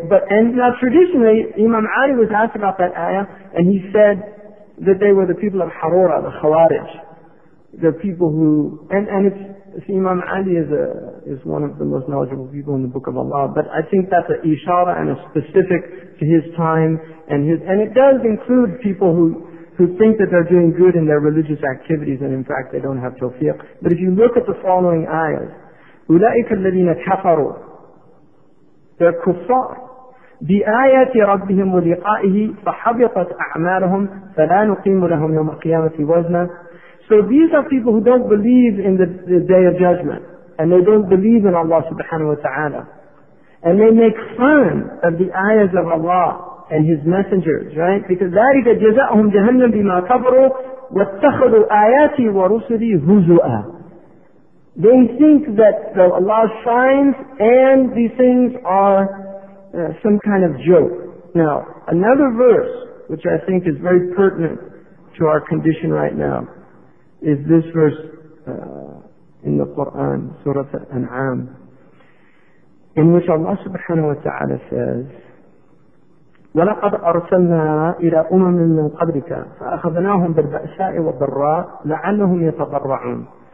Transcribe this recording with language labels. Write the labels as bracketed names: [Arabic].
[English] But, and now traditionally, Imam Ali was asked about that ayah, and he said that they were the people of Harura, the Khawarij, the people who, and it's, see, Imam Ali is one of the most knowledgeable people in the Book of Allah, but I think that's an ishara and a specific to his time, and his, and it does include people who think that they're doing good in their religious activities, and in fact they don't have tawfiq. But if you look at the following ayahs, [Arabic] أُولَٰئِكَ الَّذِينَ كَفَرُوا, [English] they're kuffar, [Arabic] بِآيَاتِ رَبِّهِمْ وَلِقَائِهِ فَحَبِطَتْ أَعْمَالُهُمْ فَلَا نُقِيمُ لَهُمْ يَوْمَ الْقِيَامَةِ وَزْنًا. [English] So these are people who don't believe in the Day of Judgment, and they don't believe in Allah subhanahu wa ta'ala. And they make fun of the ayahs of Allah and His messengers, right? Because [Arabic] ذَلِكَ جَزَأُهُمْ جَهَنَّمْ بِمَا كَفَرُوا وَاتَّخَذُوا آيَاتِي وَرُسُلِي هُزُؤًا. [English] They think that Allah's signs and these things are some kind of joke. Now, another verse, which I think is very pertinent to our condition right now, is this verse in the Quran, Surah Al-An'am, in which Allah subhanahu wa ta'ala says, [Arabic] وَلَقَدْ أَرْسَلْنَا إِلَىٰ أُمَمٍ مِّن قَبْلِكَ فَأَخَذْنَاهُمْ بِالْبَأْسَاءِ وَالضَّرَّاءِ لَعَلَّهُمْ يَتَضَرَّعُونَ.